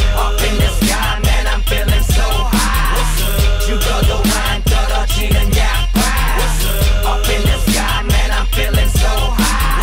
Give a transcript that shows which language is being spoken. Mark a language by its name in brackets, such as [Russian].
[English] Up in the sky man I'm feeling so high What's up? [Korean] 죽어도 안 떨어지는 약발 [English] What's up? Up in the sky man I'm feeling so high